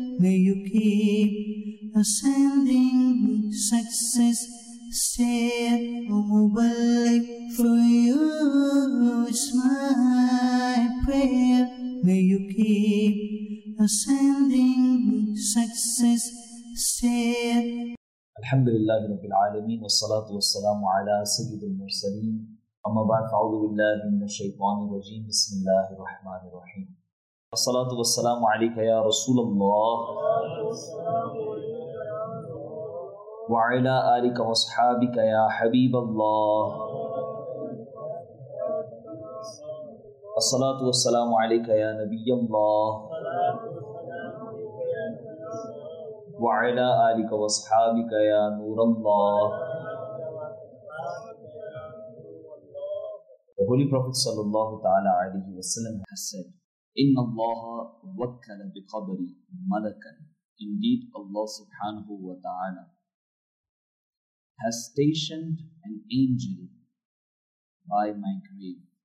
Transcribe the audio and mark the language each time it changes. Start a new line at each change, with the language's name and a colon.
English: May you keep ascending success stair. Mubarak for you, it's my prayer. May you keep ascending success stair.
Arabic: Alhamdulillah, Rabbil Alameen, wa salatu wa salamu ala Sayyidil Mursaleen. أما بعد فأعوذ بالله من الشيطان الرجيم بسم الله الرحمن الرحيم والصلاة والسلام عليك يا رسول الله وعلى آلك وصحابك يا حبيب الله والصلاة والسلام عليك يا نبي الله وعلى آلك وصحابك يا نور الله.
English: The Holy Prophet sallallahu ta'ala alayhi wa sallam has said,
Arabic: إِنَّ اللَّهَ وَكَّلَ بِقَبْرِ مَلَكًا.
English: Indeed, Allah subhanahu wa ta'ala has stationed an angel by my grave.